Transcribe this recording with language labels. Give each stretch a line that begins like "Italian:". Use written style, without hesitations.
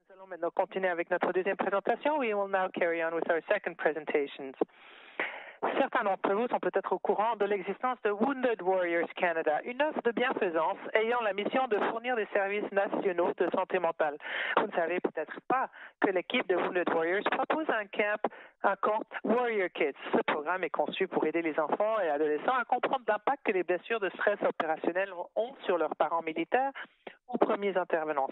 French: Maintenant, continuer avec notre deuxième présentation.
English: We will now carry on with our second presentations.
French: Certains d'entre vous sont peut-être au courant de l'existence de Wounded Warriors Canada, une offre de bienfaisance ayant la mission de fournir des services nationaux de santé mentale. Vous ne savez peut-être pas que l'équipe de Wounded Warriors propose un camp Warrior Kids. Ce programme est conçu pour aider les enfants et adolescents à comprendre l'impact que les blessures de stress opérationnel ont sur leurs parents militaires ou premiers intervenants.